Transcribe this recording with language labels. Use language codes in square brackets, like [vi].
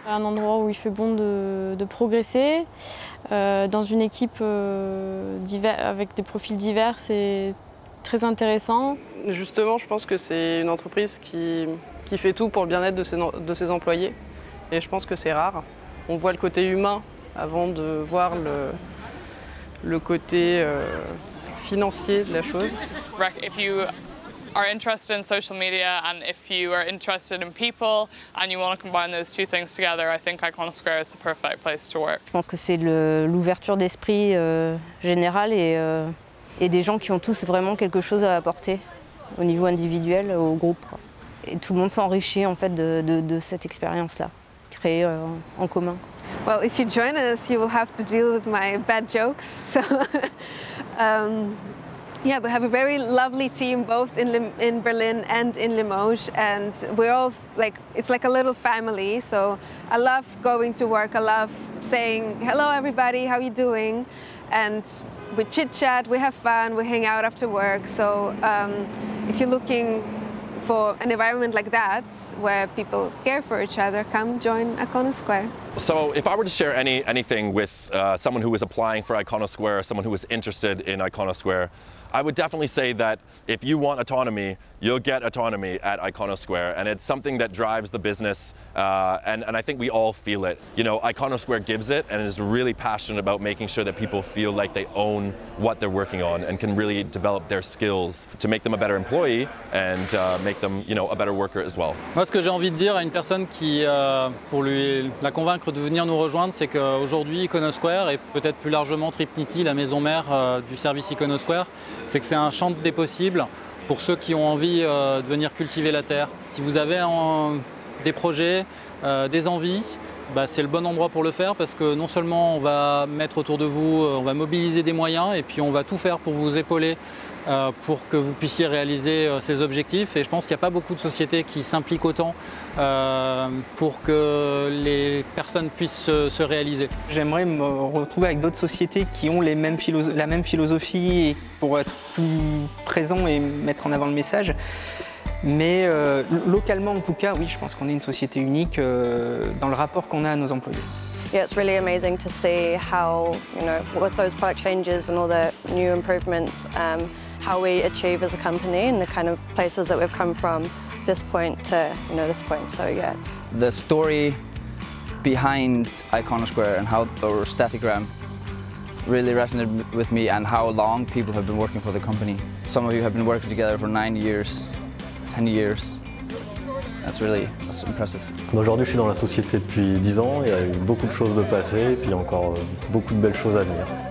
[fr] Un endroit où il fait bon de progresser, dans une équipe avec des profils divers, c'est très intéressant. Justement, je pense que c'est une entreprise qui fait tout pour le bien-être de ses employés. Et je pense que c'est rare. On voit le côté humain avant de voir le côté financier de la chose. [en] If you are interested in social media and if you are interested in people and you want to combine those two things together, I think Iconosquare is the perfect place to work. [fr] Je pense que c'est l'ouverture d'esprit générale et des gens qui ont tous vraiment quelque chose à apporter au niveau individuel, au groupe. Et tout le monde s'enrichit en fait de cette expérience-là. En commun. [en] Well, if you join us, you will have to deal with my bad jokes. So, we have a very lovely team, both in Berlin and in Limoges, and we're all like, it's like a little family. So, I love going to work. I love saying hello, everybody. How are you doing? And we chit chat. We have fun. We hang out after work. So, if you're looking for an environment like that, where people care for each other, come join Iconosquare. So if I were to share anything with someone who is applying for Iconosquare, or someone who is interested in Iconosquare, I would definitely say that if you want autonomy, you'll get autonomy at Iconosquare. And it's something that drives the business, and I think we all feel it. You know, Iconosquare gives it and is really passionate about making sure that people feel like they own what they're working on and can really develop their skills to make them a better employee and make them, you know, a better worker as well. [fr] Moi, ce que j'ai envie de dire à une personne qui, pour lui la convaincre de venir nous rejoindre, c'est qu'aujourd'hui, Iconosquare, et peut-être plus largement Tripniti, la maison mère du service Iconosquare, c'est que c'est un champ des possibles pour ceux qui ont envie de venir cultiver la terre. Si vous avez des projets, des envies, c'est le bon endroit pour le faire, parce que non seulement on va mettre autour de vous, on va mobiliser des moyens, et puis on va tout faire pour vous épauler pour que vous puissiez réaliser ces objectifs. Et je pense qu'il n'y a pas beaucoup de sociétés qui s'impliquent autant pour que les personnes puissent se réaliser. J'aimerais me retrouver avec d'autres sociétés qui ont la même philosophie et pour être plus présent et mettre en avant le message. Mais localement, en tout cas, oui, je pense qu'on est une société unique dans le rapport qu'on a à nos employés. [en] Yeah, it's really amazing to see how, you know, with those product changes and all the new improvements, how we achieve as a company and the kind of places that we've come from this point to, you know, this point. So yeah, it's the story behind Iconosquare and how, or Statigram, really resonated with me, and how long people have been working for the company. Some of you have been working together for 9 years, 10 years. That's really, that's impressive. [fr] Aujourd'hui, je suis dans la société depuis 10 ans. Il y a eu beaucoup de choses de passé et puis encore beaucoup de belles choses à venir.